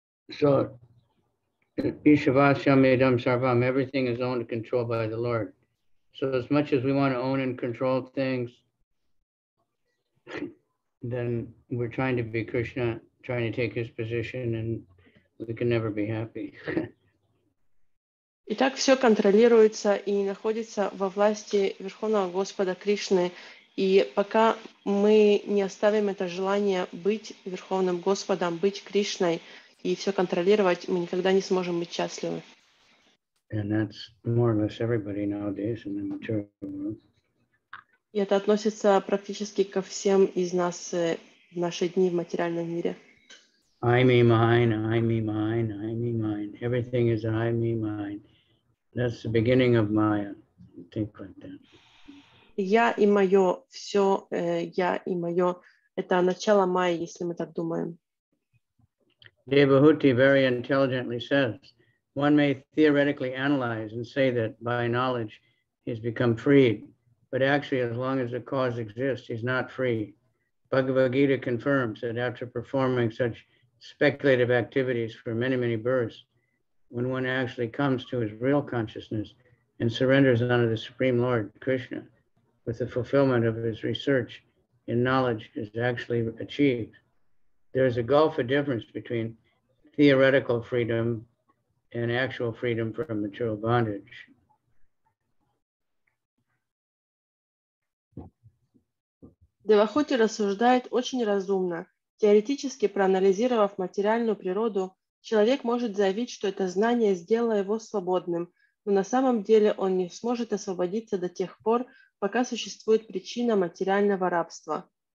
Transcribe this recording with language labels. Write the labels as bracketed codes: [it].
[en] So, [sa] Ishvasyam Edam Sarvam, [en] everything is owned and controlled by the Lord. So as much as we want to own and control things, then we're trying to be Krishna, trying to take his position, and we can never be happy. [ru] Итак, все контролируется и находится во власти Верховного Господа Кришны. И пока мы не оставим это желание быть Верховным Господом, быть Кришной, и все контролировать, мы никогда не сможем быть счастливы. [en] And that's more or less everybody nowadays in the material world. [ru] И это относится практически ко всем из нас в наши дни в материальном мире. [en] I me mine, I me mine, I me mine. Everything is I me mine. That's the beginning of Maya. Think like that. [ru] Я и мое, все я и мое. Это начало Майи, если мы так думаем. [en] Devahuti very intelligently says, one may theoretically analyze and say that by knowledge he's become freed, but actually as long as the cause exists, he's not free. Bhagavad Gita confirms that after performing such speculative activities for many, many births, when one actually comes to his real consciousness and surrenders unto the Supreme Lord, Krishna, with the fulfillment of his research and knowledge is actually achieved. There is a gulf of difference between theoretical freedom and actual freedom from material bondage. [ru] Девахути рассуждает очень разумно. Теоретически проанализировав материальную природу, человек может заявить, что это знание сделало его свободным, но на самом деле он не сможет освободиться до тех пор, пока существует причина материального рабства.